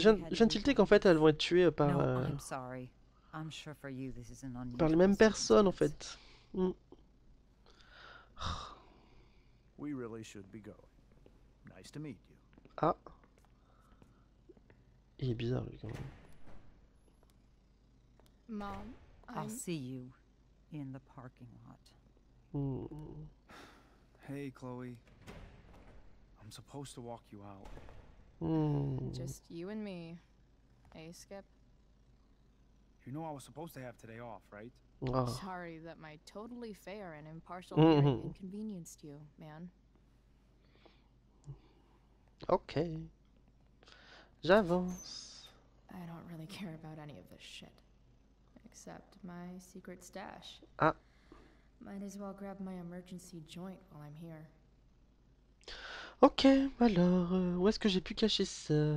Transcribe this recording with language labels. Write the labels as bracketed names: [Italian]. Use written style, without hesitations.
[French] J'ai tilté qu'en fait elles vont être tuées par [English] I'm sure for you this is an unusual [French] par les mêmes personnes en fait. Mm. [English] We really should be going. Nice to meet you. Ah. [French] Il est bizarre lui quand même. [English] Mom, I'll see you. In the parking lot. Mm. Hey, Chloe. I'm supposed to walk you out. Just you and me. Hey, Skip. You know I was supposed to have today off, right? Oh. Sorry that my totally fair and impartial hearing inconvenienced you, man. [French] Okay. J'avance. [English] I don't really care about any of this shit. Except my secret stash. Ah. Might as well grab my emergency joint while I'm here. [French] Ok, alors, où est-ce que j'ai pu cacher ça?